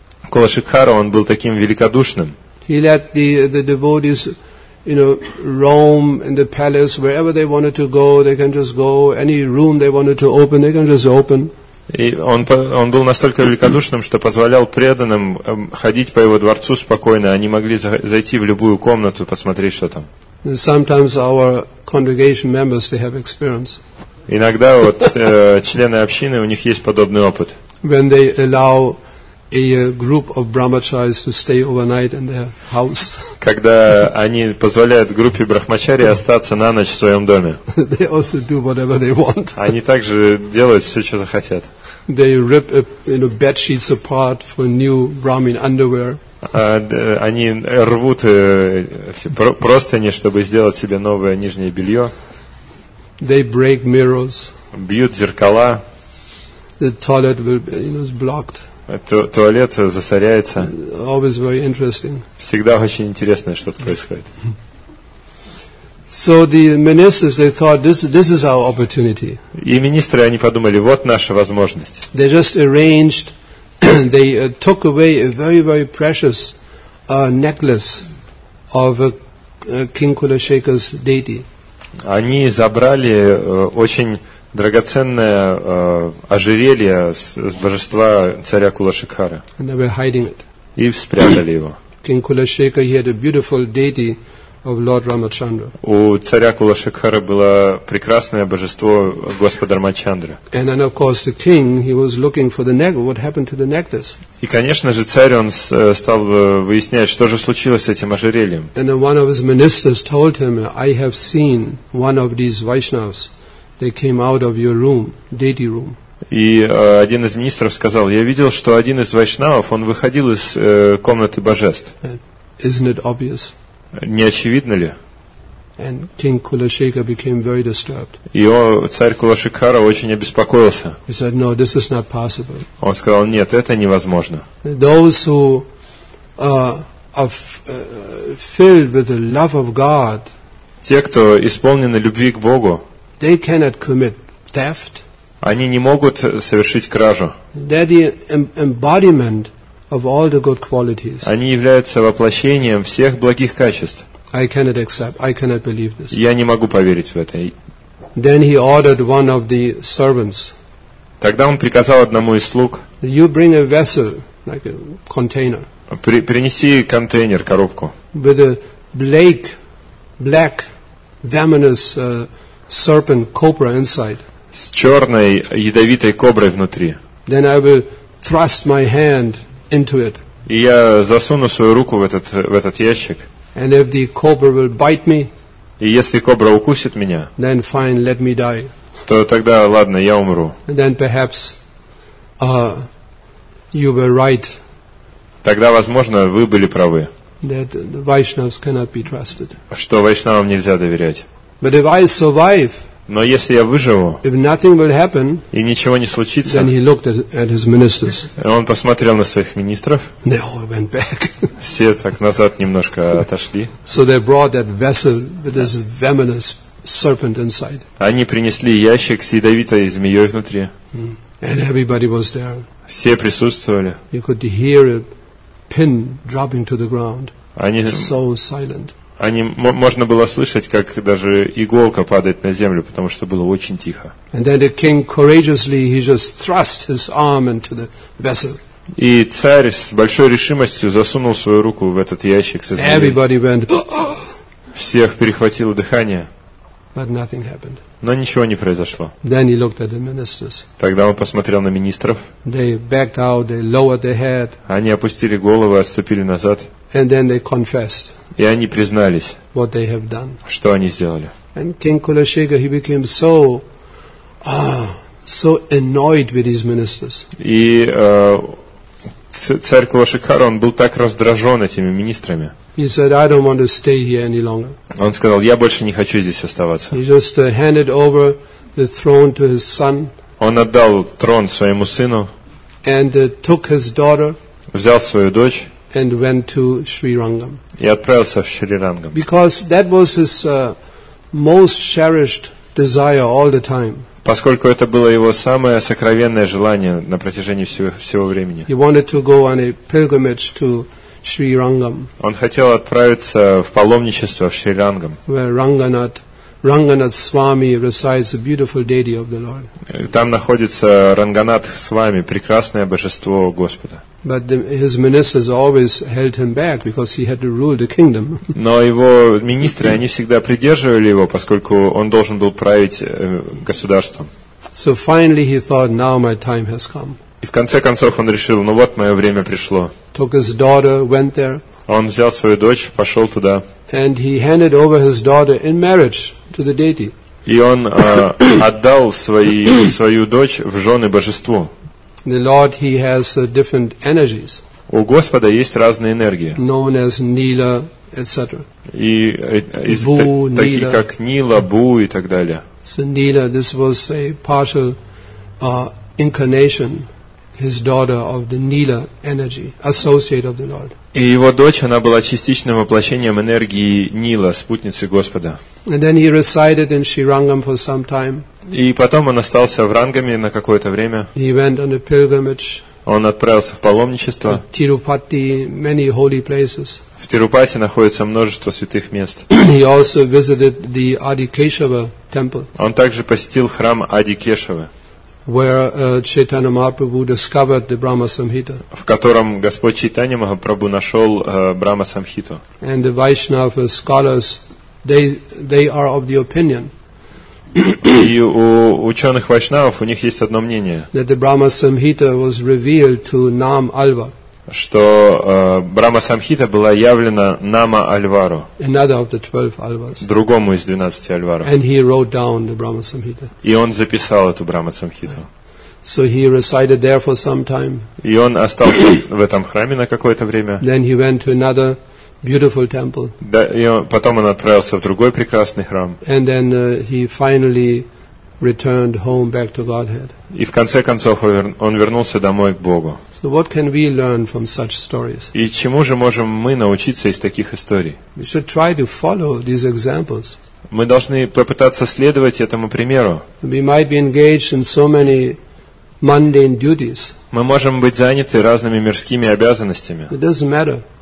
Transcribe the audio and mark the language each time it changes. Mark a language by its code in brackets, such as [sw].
[ru] Кулашекара, он был таким великодушным. [en] He let the devotees, you know, roam in the palace wherever they wanted to go. They can just go any room they wanted to open. They can just open. [ru] И он был настолько великодушным, что позволял преданным ходить по его дворцу спокойно. Они могли зайти в любую комнату, посмотреть, что там. [en] And sometimes our congregation members, they have experience. [ru] Иногда вот члены общины, у них есть подобный опыт. [en] When they allow a group of brahmacharis to stay overnight in their house. [ru] Когда они позволяют группе брахмачари остаться на ночь в своем доме. [en] They also do whatever they want. [ru] Они также делают все, что захотят. [en] They rip bed sheets apart for new Brahmin underwear. [ru] Они рвут простыни, чтобы сделать себе новое нижнее белье. [en] They break mirrors. [ru] Бьют зеркала. [en] The toilet will be, is blocked. [ru] Туалет засоряется. [en] Always very interesting. [ru] Всегда очень интересно, что происходит. [en] So the ministers, they thought, this is our opportunity. [ru] И министры, они подумали, вот наша возможность. [en] They just arranged, they took away a very, very precious necklace of King Kulashekar's deity. [ru] Они забрали очень драгоценное ожерелье с божества царя Кулашекара. [en] And they were hiding it. [ru] И спрятали его. [en] King Kulashekar, he had a beautiful deity of Lord Ramachandra. [ru] У царя Кулашекара было прекрасное божество Господа Рамачандры. [en] And then, of course, the king, he was looking for the necklace. What happened to the necklace? [ru] И, конечно же, царь, он стал выяснять, что же случилось с этим ожерельем. [en] And one of his ministers told him, I have seen one of these Vaishnavs. They came out of your room, deity room. [ru] И один из министров сказал: я видел, что один из вайшнавов, он выходил из комнаты божеств. [en] Isn't it obvious? [ru] Не очевидно ли? [en] And King Kulashekar became very disturbed. [ru] И царь Кулашекара очень обеспокоился. [en] He said, "No, this is not possible." [ru] Он сказал: нет, это невозможно. [en] Those who filled with the love of God, [ru] те, кто исполнены любви к Богу, [en] they cannot commit theft. [ru] Они не могут совершить кражу. [en] They're the embodiment of all the good qualities. [ru] Они являются воплощением всех благих качеств. [en] I cannot accept. I cannot believe this. [ru] Я не могу поверить в это. [en] Then he ordered one of the servants. [ru] Тогда он приказал одному из слуг. [en] You bring a vessel, like a container. [ru] Принеси контейнер, коробку. [en] With a black, venomous serpent cobra inside. [ru] С черной ядовитой коброй внутри. [en] Then I will thrust my hand into it. [ru] И я засуну свою руку в этот ящик. [en] And if the cobra will bite me, [ru] и если кобра укусит меня, [en] then fine, let me die. [ru] То тогда ладно, я умру. [en] And then perhaps you were right. [ru] Тогда, возможно, вы были правы. [en] That the Vaishnavas cannot be trusted. [ru] Что Вайшнавам нельзя доверять. [en] But if I survive, [ru] но если я выживу, [en] if nothing will happen, [ru] и ничего не случится, [en] then he looked at his ministers. [ru] Он посмотрел на своих министров. [en] They all went back. [ru] Все так назад немножко отошли. [en] So they brought that vessel with this venomous serpent inside. [ru] Они принесли ящик с ядовитой змеей внутри. [en] And everybody was there. [ru] Все присутствовали. [en] You could hear a pin dropping to the ground. [ru] Они [en] so silent. [ru] Они можно было слышать, как даже иголка падает на землю, потому что было очень тихо. [en] And then the king courageously he just thrust his arm into the vessel. [ru] И царь с большой решимостью засунул свою руку в этот ящик со змеей. [en] Everybody went. [ru] Всех перехватило дыхание. [en] But nothing happened. [ru] Но ничего не произошло. [en] Then he looked at the ministers. [ru] Тогда он посмотрел на министров. [en] They backed out, they lowered their head. [ru] Они опустили головы, отступили назад. [en] And then they confessed. [ru] И они признались, [en] what they have done. [ru] Что они сделали. [en] And King Kulashekar, he became so, so annoyed with his ministers. [ru] И царь Кулашекар, он был так раздражен этими министрами. [en] He said, "I don't want to stay here any longer." [ru] Он сказал, я больше не хочу здесь оставаться. [en] He just handed over the throne to his son. [ru] Он отдал трон своему сыну. [en] And took his daughter. [ru] Взял свою дочь. [en] And went to Sri Rangam. [ru] И отправился в Шри Рангам. [en] Because that was his most cherished desire all the time. [ru] Поскольку это было его самое сокровенное желание на протяжении всего времени. [en] He wanted to go on a pilgrimage to Shri Rangam. [ru] Он хотел отправиться в паломничество в Шри Рангам. [en] Where Ранганат Свами recites a beautiful deity of the Lord. [ru] Там находится Ранганат Свами, прекрасное божество Господа. [en] But his ministers always held him back because he had to rule the kingdom. [ru] Но его министры они всегда придерживали его, поскольку он должен был править государством. [en] So finally he thought, now my time has come. [ru] И в конце концов он решил, ну вот мое время пришло. [en] Took his daughter, went there. [ru] Он взял свою дочь, пошел туда. [en] And he handed over his daughter in marriage to the deity. [ru] И он отдал свою дочь в жены божеству. [en] The Lord, he has different energies. [ru] У Господа есть разные энергии. [en] Known as Nila, etc. [ru] И Bu, такие Nila. Как Нила, Бу и так далее. [en] So Nila, this was a partial incarnation. His daughter of the Nila energy, associate of the Lord. [ru] И его дочь, она была частичным воплощением энергии Нила, спутницы Господа. [en] And then he resided in Sri Rangam for some time. [ru] И потом он остался в Рангаме на какое-то время. [en] He went on a pilgrimage. [ru] Он отправился в паломничество. [en] To Tirupati, many holy places. [ru] В Тирупати находится множество святых мест. [en] He also visited the Adi Keshava temple. [ru] Он также посетил храм Ади Кешавы. [en] Where Chaitanya Mahaprabhu discovered the Brahma Samhita. [ru] В котором Господь Чайтанья Махапрабху нашел Брахма Самхиту. [en] And the Vaishnava scholars, they are of the opinion. [ru] И у ученых вайшнавов у них есть одно мнение. [en] That the Brahma Samhita was revealed to Nam Alva. [ru] Что Брахма Самхита была явлена Нама Альвару. [en] Another of the 12 Alvas. [ru] Другому из 12 Альваров. [en] And he wrote down the Brahma Samhita. [ru] И он записал эту Брахма Самхиту. [en] So he resided there for some time. [ru] И он остался в этом храме на какое-то время. [en] Then he went to another beautiful temple. [ru] Да, и потом он отправился в другой прекрасный храм. [en] And then he finally returned home back to Godhead. [ru] И в конце концов он вернулся домой к Богу. [en] So what can we learn from such stories? [ru] И чему же можем мы научиться из таких историй? [en] We should try to follow these examples. [ru] Мы должны попытаться следовать этому примеру. [en] We might be engaged in so many mundane duties. [ru] Мы можем быть заняты разными мирскими обязанностями. [en] It doesn't matter.